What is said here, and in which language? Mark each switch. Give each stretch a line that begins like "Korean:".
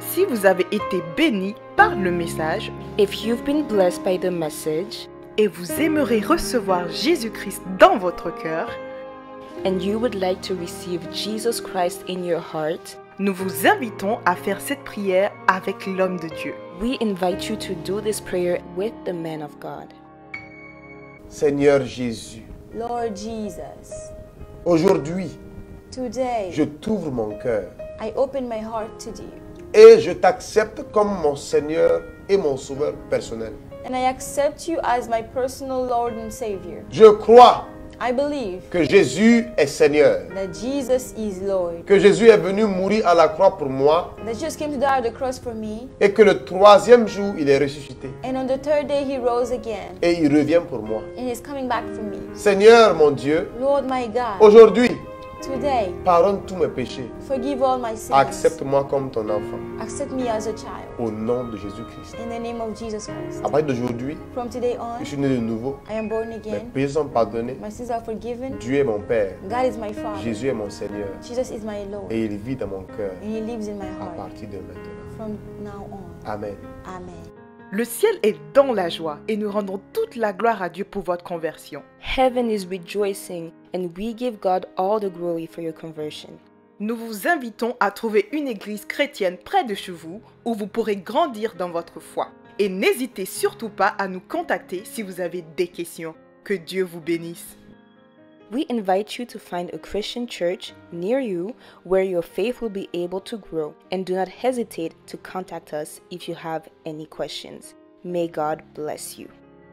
French: Si vous avez été béni par le message,
English: if you've been blessed by the message,
French: et vous aimeriez recevoir Jésus-Christ dans votre cœur,
English: and you would like to receive Jesus Christ in your heart,
French: nous vous invitons à faire cette prière avec l'homme de Dieu.
English: We invite you to do this prayer with the man of God.
French: Seigneur Jésus,
English: Lord Jesus,
French: aujourd'hui,
English: today,
French: je t'ouvre mon cœur.
English: I open my heart to you.
French: Et je t'accepte comme mon Seigneur et mon Sauveur personnel.
English: And I accept you as my personal Lord and Savior.
French: Je crois.
English: I believe
French: que Jésus est Seigneur.
English: That Jesus is Lord.
French: Que Jésus est venu mourir à la croix pour moi.
English: That Jesus came to die on the cross for me.
French: Et que le troisième jour, il est ressuscité.
English: And on the third day, he rose again.
French: Et il revient pour moi.
English: And he's coming back for me.
French: Seigneur, mon Dieu.
English: Lord, my God.
French: Aujourd'hui.
English: Today.
French: Pardonne tous mes péchés.
English: Forgive all my sins.
French: Accepte-moi comme ton enfant.
English: Accept me as a child.
French: Au nom de Jésus-Christ.
English: In the name of Jesus Christ.
French: À partir d'aujourd'hui,
English: from today on,
French: je suis né de nouveau.
English: I am born again.
French: Mes péchés sont pardonnés.
English: My sins are forgiven.
French: Dieu est mon Père.
English: God is my Father.
French: Jésus est mon Seigneur.
English: Jesus is my Lord.
French: Et il vit dans mon cœur.
English: And he lives in my heart.
French: À partir de maintenant.
English: From now on.
French: Amen.
English: Amen.
French: Le ciel est dans la joie et nous rendons toute la gloire à Dieu pour votre conversion.
English: Heaven is rejoicing and we give God all the glory for your conversion.
French: Nous vous invitons à trouver une église chrétienne près de chez vous où vous pourrez grandir dans votre foi. Et n'hésitez surtout pas à nous contacter si vous avez des questions. Que Dieu vous bénisse.
English: We invite you to find a Christian church near you where your faith will be able to grow. And do not hesitate to contact us if you have any questions. May God bless you.